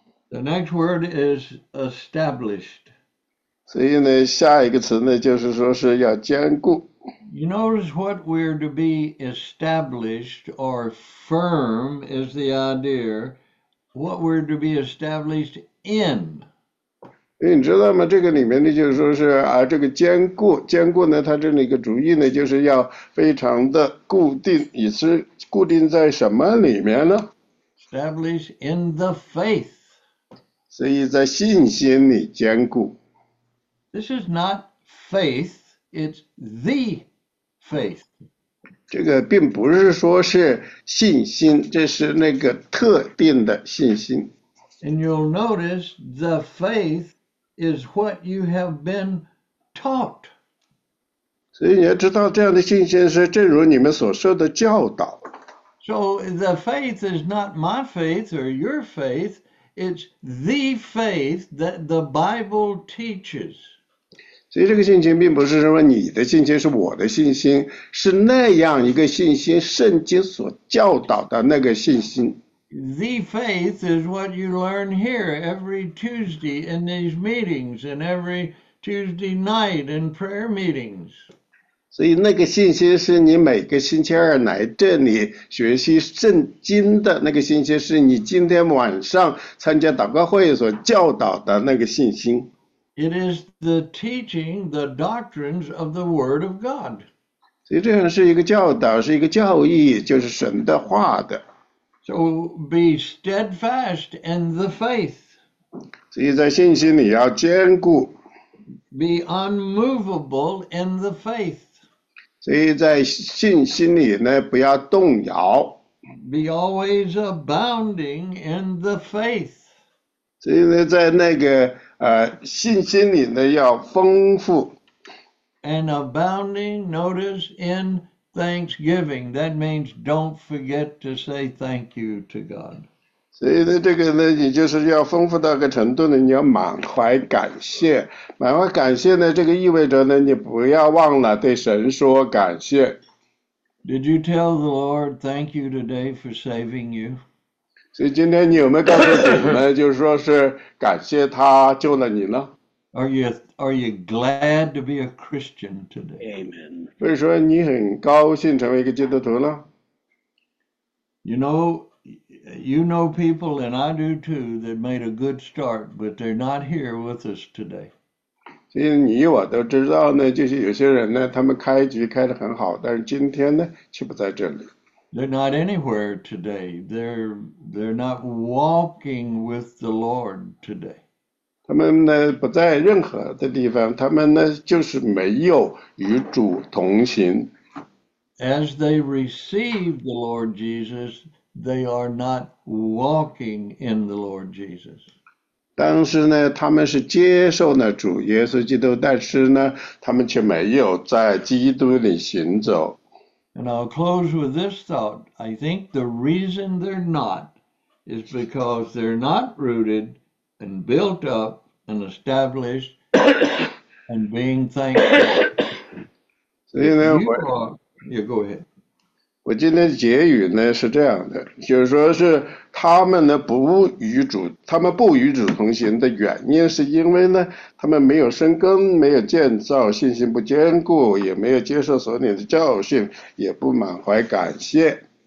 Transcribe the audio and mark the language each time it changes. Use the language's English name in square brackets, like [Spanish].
[English] The next word is established. [Chinese] 所以呢，下一个词呢，就是说是要坚固。 [English] You notice what we're to be established or firm is the idea, what we're to be established in. [Chinese] 你知道吗？这个里面呢，就是说是啊，这个坚固，坚固呢，它这里一个主义呢，就是要非常的固定，也是固定在什么里面呢？ [English] Established in the faith. [Chinese] 所以在信心里坚固。 [English] This is not faith. It's the faith. [Chinese] 这个并不是说是信心，这是那个特定的信心。 [English] And you'll notice the faith is what you have been taught. [Chinese] 所以你要知道，这样的信心是正如你们所受的教导。 [English] So the faith is not my faith or your faith, it's the faith that the Bible teaches. [Chinese] 所以这个信心并不是说你的信心是我的信心，是那样一个信心，圣经所教导的那个信心。 [English] The faith is what you learn here every Tuesday in these meetings and every Tuesday night in prayer meetings. [Chinese] 所以那个信心是你每个星期二来这里学习圣经的那个信心，是你今天晚上参加祷告会所教导的那个信心。 [English] It is the teaching, the doctrines of the Word of God. [Chinese] 所以这样是一个教导，是一个教义，就是神的话的。 [English] So be steadfast in the faith. [Chinese] 所以在信心里要坚固。 [English] Be unmovable in the faith. [Chinese] 所以在信心里呢，不要动摇。 [English] Be always abounding in the faith. [Chinese] 所以呢，在那个信心里呢要丰富。 [English] And abounding, notice, in thanksgiving. That means don't forget to say thank you to God. [Chinese] 所以呢，这个呢，也就是要丰富到个程度呢，你要满怀感谢。满怀感谢呢，这个意味着呢，你不要忘了对神说感谢。 [English] Did you tell the Lord thank you today for saving you? [Chinese] 所以今天你有没有告诉主呢？就是说是感谢他救了你呢？ [English] Are you glad to be a Christian today? Amen. [Chinese] 所以说你很高兴成为一个基督徒呢？ [English] You know people and I do too that made a good start, but they're not here with us today. [Chinese] 所以你我都知道呢，就是有些人呢，他们开局开得很好，但是今天呢，却不在这里。 [English] They're not anywhere today. They're not walking with the Lord today. [Chinese] 他们呢不在任何的地方，他们呢就是没有与主同行。 [English] As they receive the Lord Jesus, they are not walking in the Lord Jesus. [Chinese] 但是呢，他们是接受了主耶稣基督，但是呢，他们却没有在基督里行走。 [English] And I'll close with this thought. I think the reason they're not is because they're not rooted and built up and established and being thankful. You know, you go ahead. [Chinese] 我今天结语呢是这样的，就是说是他们呢不与主，他们不与主同行的原因是因为呢他们没有生根，没有建造，信心不坚固，也没有接受所领的教训，也不满怀感谢。